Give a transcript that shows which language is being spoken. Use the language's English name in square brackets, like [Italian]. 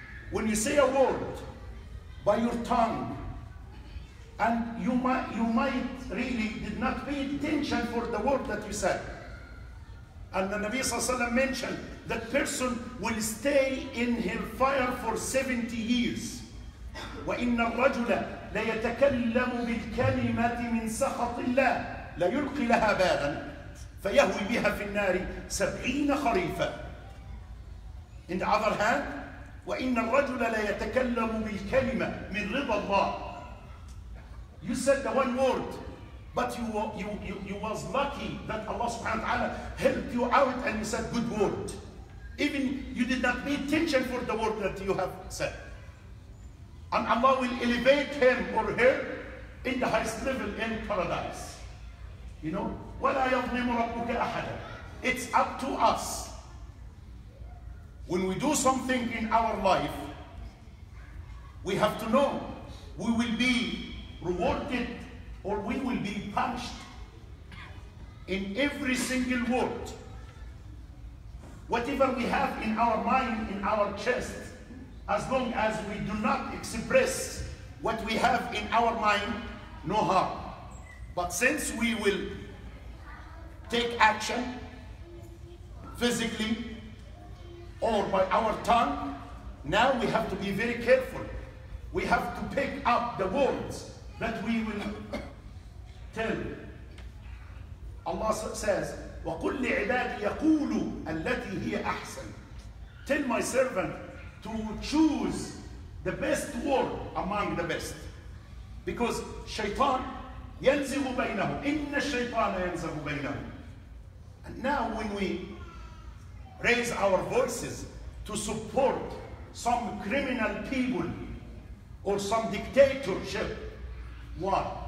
[English] When you say a word by your tongue, and you might really did not pay attention for the word that you said. And the Nabi ﷺ mentioned that person will stay in his fire for 70 years. [Arabic] وَإِنَّ الرَّجُلَ لَيَتَكَلَّمُ بِالْكَلِمَةِ مِنْ سَخَطِ اللَّهِ لا يلقي لها بابا فيهوي بها في النار 70 خريفا. [English] In the other hand, [Arabic] وإن الرجل لا يتكلم بالكلمة من رضا الله. [English] You said the one word, but you was lucky that Allah subhanahu wa ta'ala helped you out and you said good word. Even you did not pay attention for the word that you have said. And Allah will elevate him or her in the highest level in paradise. You know, [Arabic] وَلَا يَظْلِمُ رَبُّكَ أَحَدًا. [English] It's up to us. When we do something in our life, we have to know we will be rewarded or we will be punished in every single word. Whatever we have in our mind, in our chest, as long as we do not express what we have in our mind, no harm. But since we will take action physically or by our tongue, now we have to be very careful. We have to pick up the words that we will tell. Allah says, [Arabic] وَقُلْ لِعِبَادِ يَقُولُوا الَّتِي هِيَ أَحْسَنُ. [English] Tell my servant to choose the best word among the best. Because shaitan [Arabic] يَنْزِغُ بَيْنَهُ. إِنَّ الشَّيْطَانَ يَنْزَغُ بَيْنَهُ. [English] And now when we raise our voices to support some criminal people or some dictatorship, why?